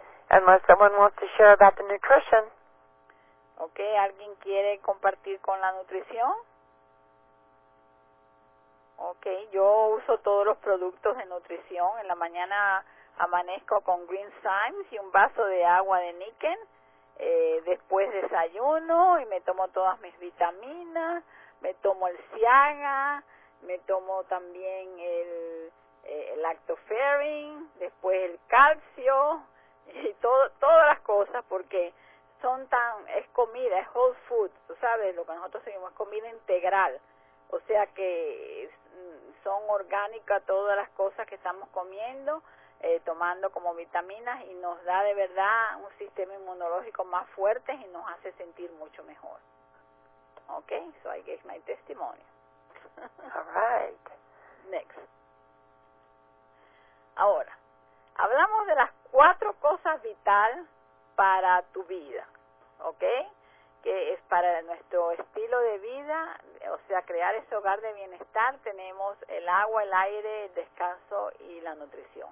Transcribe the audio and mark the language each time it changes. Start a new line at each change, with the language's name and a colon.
English: Unless someone wants to share about the nutrition.
Spanish: Okay, ¿alguien quiere compartir con la nutrición? Okay, yo uso todos los productos de nutrición. En la mañana amanezco con Green Symes y un vaso de agua de níquel. Después desayuno y me tomo todas mis vitaminas. Me tomo el Siaga. Me tomo también el lactoferrin, después el calcio y todas las cosas porque es comida, es
English: whole food,
Spanish: tú sabes, lo que nosotros seguimos es comida integral, o sea que son orgánicas todas las cosas que estamos comiendo, tomando como vitaminas y nos da de verdad un sistema inmunológico más fuerte y nos hace sentir mucho mejor.
English: Okay, so I gave my testimony. All right. Next.
Spanish: Ahora, hablamos de las 4 cosas vital para tu vida, ¿ok? que es para nuestro estilo de vida, o sea, crear ese hogar de bienestar, tenemos el agua, el aire, el descanso y la nutrición.